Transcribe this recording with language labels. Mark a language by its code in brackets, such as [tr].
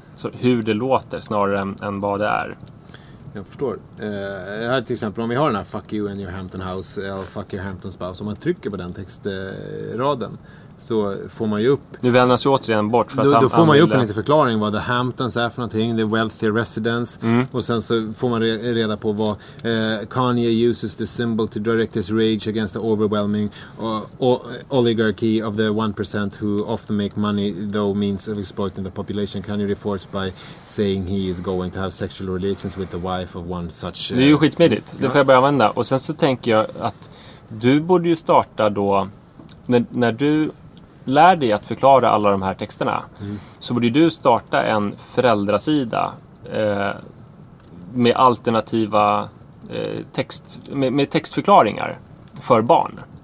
[sv] Så hur det låter snarare än vad det är. Jag förstår. Här till exempel, om vi har den här [en] Fuck you and your Hampton house, [sv] eller [en] fuck your Hampton spouse, [sv] om man trycker på den textraden så får man ju upp... Nu vänder sig återigen bort. För då, att då får man ju upp en liten förklaring vad The Hamptons är för någonting, [en] The Wealthy Residence. [sv] Mm. Och sen så får man reda på vad [en] Kanye uses the symbol to direct his rage against the overwhelming oligarchy of the 1% who often make money though means of exploiting the population. Kanye reports by saying he is going to have sexual relations with the wife. life of one such... [sv] Det är ju skitsmidigt, det får jag börja använda. Och sen så tänker jag att du borde ju starta då, när du lär dig att förklara alla de här texterna, så borde du starta en föräldrasida med alternativa text, med textförklaringar för barn.